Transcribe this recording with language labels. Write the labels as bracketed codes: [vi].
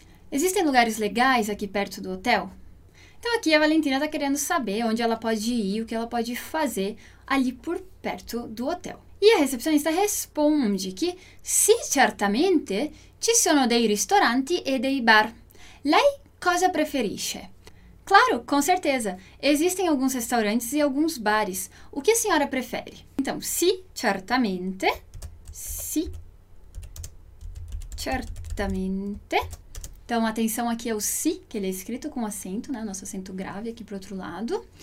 [pt] Existem lugares legais aqui perto do hotel? Então, aqui a Valentina está querendo saber onde ela pode ir, o que ela pode fazer ali por perto do hotel. E a recepcionista responde que, [it] sì, certamente, ci sono dei ristoranti e dei bar. Lei cosa preferisce? [pt] Claro, com certeza, existem alguns restaurantes e alguns bares. O que a senhora prefere? Então, [it] sì, certamente, sì, certamente. [pt] Então, atenção aqui ao sì, que ele é escrito com acento, né? Nosso acento grave aqui para o outro lado.